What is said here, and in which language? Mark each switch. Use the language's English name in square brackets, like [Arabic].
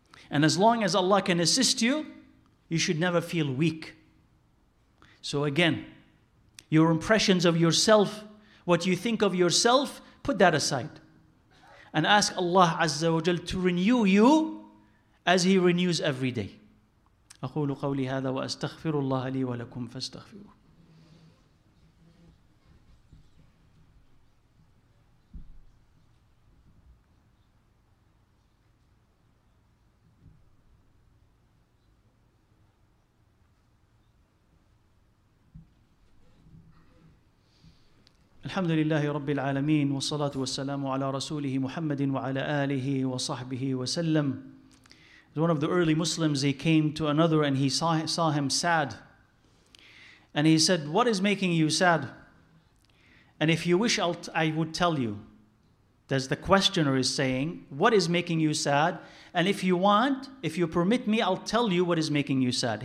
[English] And as long as Allah can assist you, you should never feel weak. So again, your impressions of yourself, what you think of yourself, put that aside. And ask Allah Azza wa Jal to renew you as He renews every day. [Arabic] أقول قولي هذا وأستغفر الله لي ولكم فاستغفروه. الحمد لله رب العالمين والصلاة والسلام على رسوله محمد وعلى آله وصحبه وسلم. [English] One of the early Muslims, he came to another and he saw him sad. And he said, what is making you sad? And if you wish, I would tell you. That's the questioner is saying, what is making you sad? And if you want, if you permit me, I'll tell you what is making you sad.